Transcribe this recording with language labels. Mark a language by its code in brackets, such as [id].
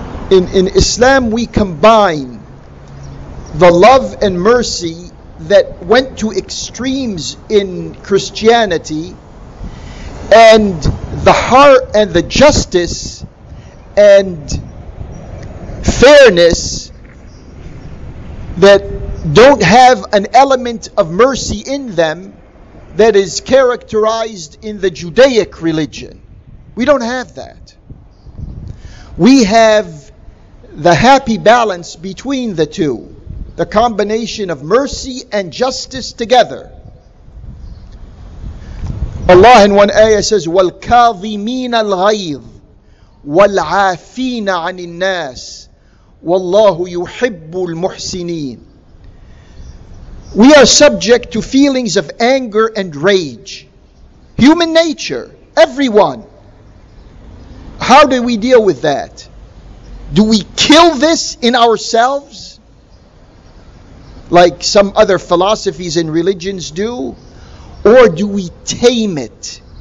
[en] In Islam, we combine the love and mercy that went to extremes in Christianity and the heart and the justice and fairness that don't have an element of mercy in them that is characterized in the Judaic religion. We don't have that. We have the happy balance between the two, the combination of mercy and justice together. Allah in one ayah says, [ar] وَالْكَاظِمِينَ الْغَيْظِ وَالْعَافِينَ عَنِ النَّاسِ وَاللَّهُ يُحِبُّ الْمُحْسِنِينَ. [en] We are subject to feelings of anger and rage. Human nature, everyone. How do we deal with that? Do we kill this in ourselves? Like some other philosophies and religions do? Or do we tame it?